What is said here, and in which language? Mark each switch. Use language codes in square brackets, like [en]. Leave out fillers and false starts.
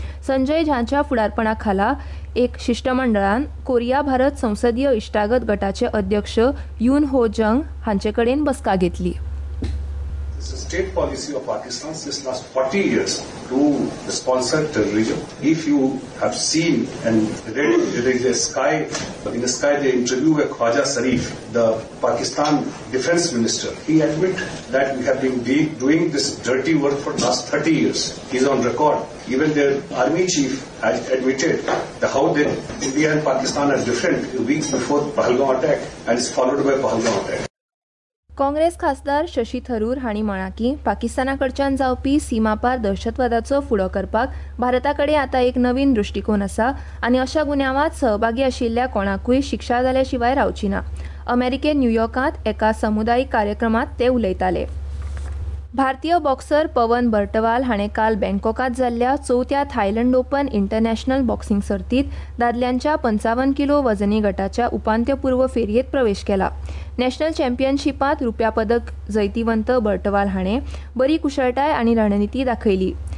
[gom] संजय झांच्या फुडारपणा खाला एक शिष्टमंडळान कोरिया भारत संसदीय इश्टागत गटाचे अध्यक्ष युन हो जंग हांचे कडेन बसका घेतली. [en] It's a state policy of Pakistan since last 40 years to sponsor terrorism. If you have seen and read in the sky they interview a Khwaja Sharif, the Pakistan defense minister, he admit that we have been doing this dirty work for last 30 years. He's on record. Even their army chief has admitted the how they, India and Pakistan are different weeks before Pahalgam attack and is followed by Pahalgam attack. [gom] Congress खासदार शशी थरूर हांणी म्हळां की पाकिस्तानाकडच्यान जावपी सीमापार दहशतवादाचो फुडो करपाक भारताकडे आतां एक नवीन दृश्टीकोन आसा आनी अशा गुन्यांवात सहभागी आशिल्ल्या कोणाकूय शिक्षा जाल्याशिवाय रावची ना. अमेरिकेन न्यूयॉर्कांत एका समुदायीक कार्यक्रमांत ते उलयताले. भारतीय बॉक्सर पवन बर्टवाल हाणें काल बँकॉकांत जाल्ल्या 4थ्या थायलंड ओपन इंटरनॅशनल बॉक्सिंग सर्तीत दादल्यांच्या 55 किलो वजनी गटाच्या उपांत्यपूर्व फेरयेत प्रवेश केला. नॅशनल चॅम्पियनशिपांत रुप्या पदक जैतिवंत बर्टवाल हाणें बरी कुशळटाय आनी रणनिती दाखयली.